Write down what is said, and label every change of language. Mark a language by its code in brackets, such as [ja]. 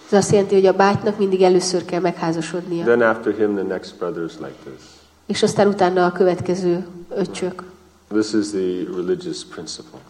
[hu] Ez azt jelenti, hogy a bátynak mindig először kell megházasodnia. [en] Then after him the next brother is like this. [hu] És aztán utána a következő öcsök. [en] This is the religious principle.